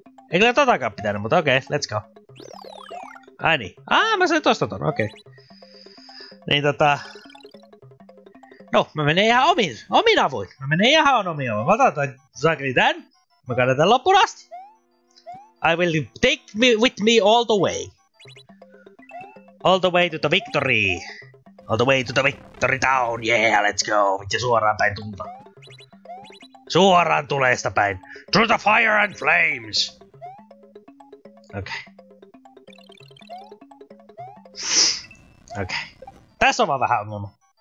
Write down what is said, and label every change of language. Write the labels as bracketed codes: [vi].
[fi] Ei kyllä totakaan pitänyt, mutta okei, [en] okay, let's go. [fi] Ai niin. Mä sain tosta ton, okei. [en] Okay. [fi] Niin tota... No, mä menen ihan omin avuin. Mä menen ihan omin avuin. Mä otan tän. Mä katson tän loppuun asti. [en] I will take me with me all the way. All the way to the victory. All the way to the victory town. Yeah, let's go. [fi] Vitsi suoraan päin tulta. Suoraan tulesta päin. [en] Through the fire and flames. [fi] Okei. [en] Okay. [fi] Okei. [en] Okay. [fi] Tässä on vaan vähän ongelma.